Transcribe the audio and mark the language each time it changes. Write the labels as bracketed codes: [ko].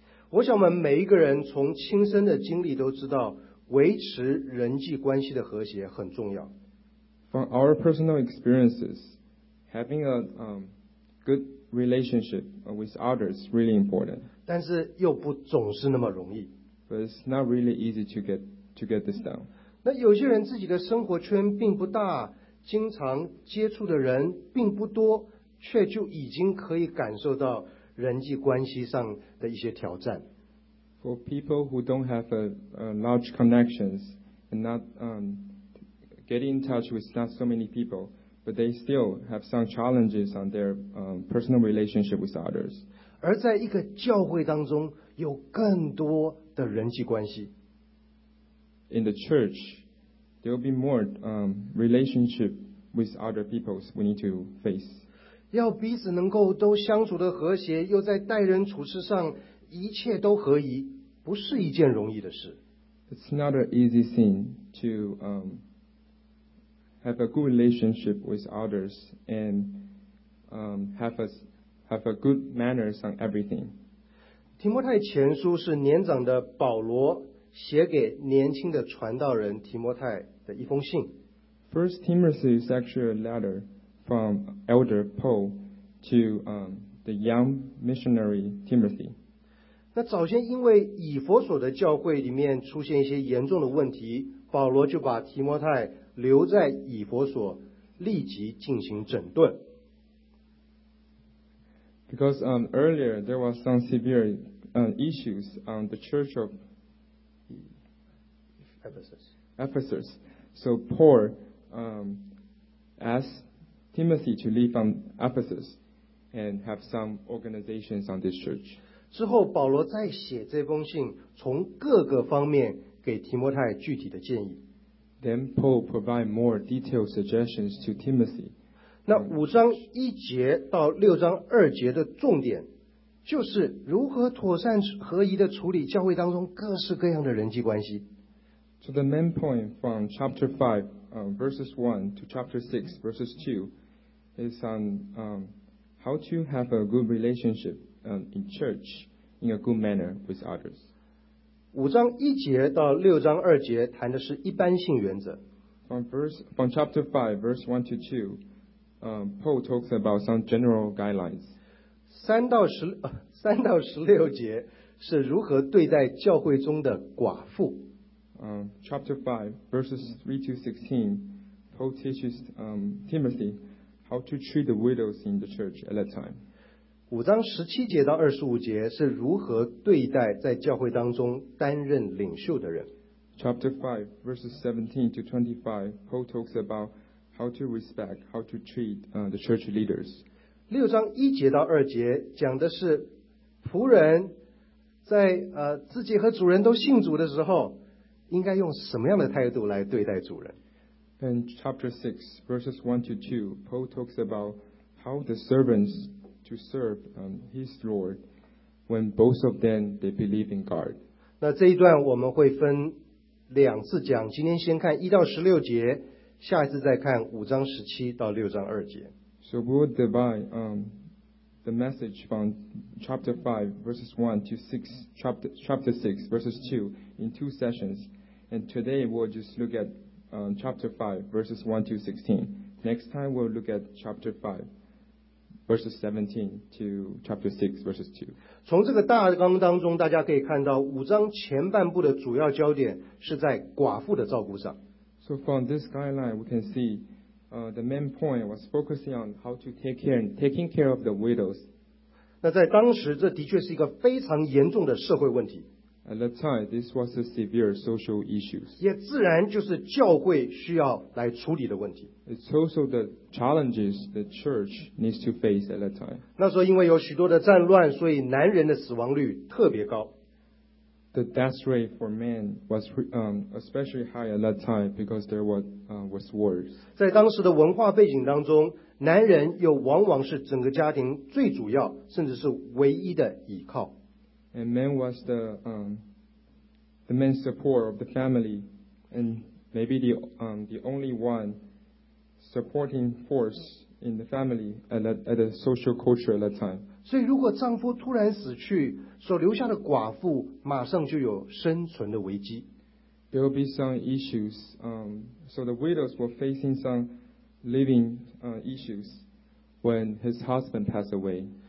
[zh] 我想我们每一个人从亲身的经历都知道。维持人际关系的和谐很重要。 [en] From our personal experiences, having a good relationship with others is really important. [zh] 但是又不总是那么容易。 [en] But it's not really easy to get this done. [zh] 那有些人自己的生活圈并不大，经常接触的人并不多，却就已经可以感受到人际关系上的一些挑战。 [en] For people who don't have a large connections and not get in touch with not so many people, but they still have some challenges on their personal relationship with others. [zh] 而在一个教会当中，有更多的人际关系。 [en] In the church, there will be more relationship with other people we need to face. [zh] 要彼此能够都相处的和谐，又在待人处事上一切都合宜，不是一件容易的事。 [en] It's not an easy thing to have a good relationship with others and have a good manners on everything. [zh] 提摩太前书是年长的保罗写给年轻的传道人提摩太的一封信。 [en] First Timothy is actually a letter from Elder Paul to the young missionary Timothy. [zh] 那早先因为以弗所的教会里面出现一些严重的问题，保罗就把提摩太留在以弗所，立即进行整顿。 [en] Because earlier there was some severe issues on the church of Ephesus. So Paul asked Timothy to leave from Ephesus and have some organizations on this church. [zh] 之后保罗再写这封信，从各个方面给提摩太具体的建议。 [en] Then Paul provide more detailed suggestions to Timothy. [zh] 那五章一节到六章二节的重点，就是如何妥善合宜的处理教会当中各式各样的人际关系。 [en] So the main point from chapter 5, verses 1 to chapter 6, verses 2, is on how to have a good relationship in church in a good manner with others. [zh] 五章一节到六章二节谈的是一般性原则。 [en] From chapter 5, verse 1 to 2, Paul talks about some general guidelines. [zh] 三到十六节是如何对待教会中的寡妇。 [en] Chapter 5, verses 3 to 16, Paul teaches Timothy how to treat the widows in the church at that time. [zh] 五章十七节到二十五节是如何对待在教会当中担任领袖的人。 [en] Chapter 5, verses 17 to 25, Paul talks about how to respect, how to treat the church leaders. [zh] 六章一节到二节讲的是仆人在自己和主人都信主的时候应该用什么样的态度来对待主人。 [en] In chapter 6 verses 1 to 2 Paul talks about how the servants to serve his Lord when both of them they believe in God. [zh] 那这一段我们会分两次讲，今天先看1到16节，下一次再看5章17到6章2节。 [en] So we'll divide the message from chapter 5 verses 1 to 6 chapter 6 verses 2 in two sessions, and today we'll just look at chapter 5 verses 1 to 16. Next time we'll look at chapter 5 verses 17 to chapter 6 verses 2. [zh] 从这个大纲当中大家可以看到五章前半部的主要焦点是在寡妇的照顾上。 [en] So from this guideline we can seeThe main point was focusing on how to taking care of the widows. [zh] 那在当时这的确是一个非常严重的社会问题。 [en] At that time, this was a severe social issue. [zh] 也自然就是教会需要来处理的问题。 [en] It's also the challenges the church needs to face at that time. [zh] 那时候因为有许多的战乱，所以男人的死亡率特别高。 [en] The death rate for men was especially high at that time because there were was worse. [zh] 在当时的文化背景当中，男人又往往是整个家庭最主要甚至是唯一的依靠。 [en] And men was the main support of the family and maybe the only one supporting force in the family at the social culture at that time. [zh] 所以如果丈夫突然死去，所留下的寡妇马上就有生存的危机。 [en] There will be some issues, so the widows were facing some living issues when his husband passed away.